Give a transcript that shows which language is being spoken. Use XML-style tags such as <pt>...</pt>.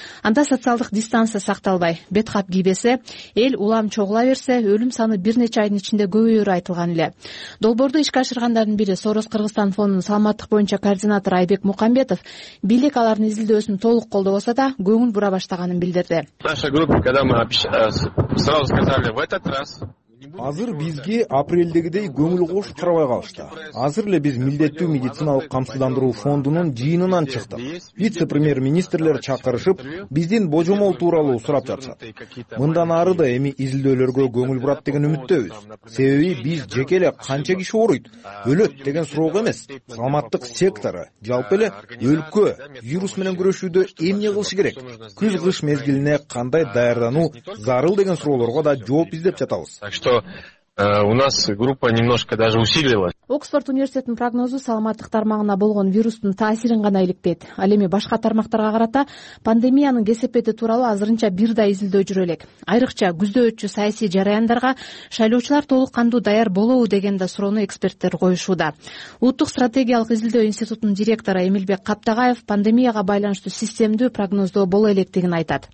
<ky>Анда социалдык дистанция сакталбай, бет кап кийбесе, эл улам чогула берсе өлүм саны бир нече айдын ичинде көбөйөрү айтылган эле. Долбоорду ишке ашыргандардын бири Сорос Кыргызстан фондунун саламаттык боюнча координатору Айбек Мухамбетов бийлик алардын изилдөөсүн толук колдобосо да көңүл бура баштаганын билдирди.</ky> <ru>Наша группа, когда мы сразу сказали, в этот раз...</ru> <ky>Азыр бизге апрелдегидей көңүл кошуп карабай калышты. Азыр эле биз милдеттүү медициналык камсыздандыруу фондунун жыйынынан чыктык. Вице-премьер-министрлер чакырышып, биздин божомол тууралуу сурап жатышат. Мындан ары да эми изилдөөлөргө көңүл бурат деген үмүттөбүз. Себеби биз жеке эле канча киши ооруйт, өлөт деген суроого эмес, саламаттык сектору, жалпы эле өлкө вирус менен күрөшүүдө эмне кылышы керек, күз кыш мезгилине кандай даярдануу зарыл деген суроолорго да жооп издеп жатабыз.</ky> <ru>Что У нас группа немножко даже усилилась.</ru> <ky>Оксфорд университетинин прогнозу саламаттык тармагына болгон вирустун таасирин гана иликпейт. Ал эми башка тармактарга карата пандемиянын кесепети тууралуу азырынча бир да изилдөө жүрө элек. Айрыкча күздө өтчү саясий жараяндарга шайлоочулар толук кандуу даяр болобу деген да суроону эксперттер коюшууда. Улуттук стратегиялык изилдөө институтунун директору Эмилбек Каптагаев пандемияга байланыштуу системдүү прогноздоо боло электигин айтат.</ky>